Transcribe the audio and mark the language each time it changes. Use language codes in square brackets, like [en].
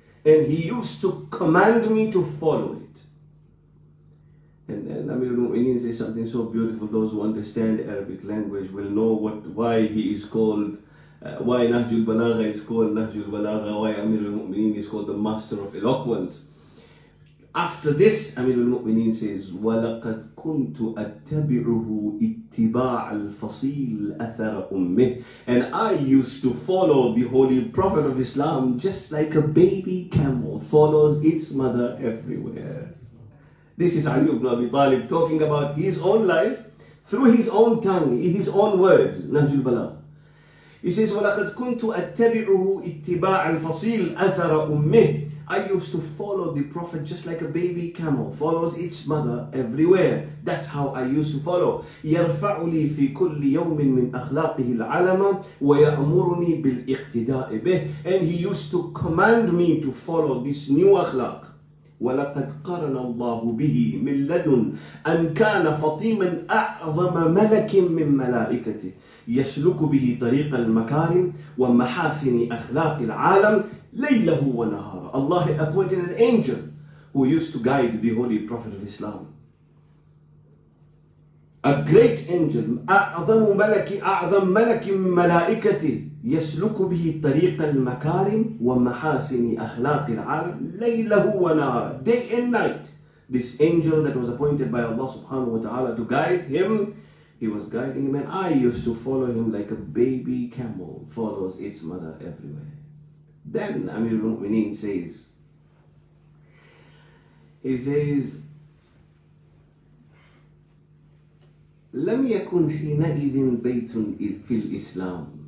[en] And he used to command me to follow it. And then Amirul Mu'mineen says something so beautiful. Those who understand Arabic language will know why he is called, why Nahjul Balagha is called Nahjul Balagha, why Amirul Mu'mineen is called the master of eloquence. After this, Amirul Mu'mineen says, [ar] وَلَقَدْ كُنْتُ أَتَّبِعُهُ اتِّبَاعَ الْفَصِيلِ أَثَرَ أُمِّهِ. [en] And I used to follow the Holy Prophet of Islam just like a baby camel follows its mother everywhere. This is Ali ibn Abi Talib talking about his own life through his own tongue, in his own words, Nahjul Balagha. He says, [ar] وَلَقَدْ كُنْتُ أَتَّبِعُهُ اتِّبَاعَ الْفَصِيلِ أَثَرَ أُمِّهِ. [en] I used to follow the Prophet just like a baby camel follows its mother everywhere. That's how I used to follow. [ar] يَرْفَعُ لِي فِي كُلِّ يَوْمٍ مِّنْ أَخْلَاقِهِ الْعَلَمَ وَيَأْمُرُنِي بِالْإِخْتِدَاءِ بِهِ. [en] And he used to command me to follow this new akhlaq. [ar] وَلَقَدْ قَرَنَ اللَّهُ بِهِ مِنْ لَدُنْ أَنْ كَانَ فَطِيمًا أَعْظَمَ مَلَكٍ مِّنْ مَلَائِكَتِهِ يَسْلُكُ بِهِ طَرِيقَ الْمَكَارِمِ وَمَحَاسِنِ أَخْلَاقِ الْعَالَمِ لَيْلَهُ وَنَهَارِهِ. [en] Allah appointed an angel who used to guide the Holy Prophet of Islam. A great angel, [ar] أَعْظَمُ مَلَكِ أَعْظَمْ مَلَكِ مَلَائِكَتِ يَسْلُكُ بِهِ طَرِيقَ الْمَكَارِمِ وَمَحَاسِنِ أَخْلَاقِ الْعَالَمِ لَيْلَهُ وَنَهَارِ. [en] Day and night, this angel that was appointed by Allah subhanahu wa ta'ala to guide him, he was guiding him, and I used to follow him like a baby camel follows its mother everywhere. Then Amirul Mu'mineen says, he says, [ar] لَمْ يَكُنْ حِنَئِذٍ بَيْتٌ فِي الْإِسْلَامِ.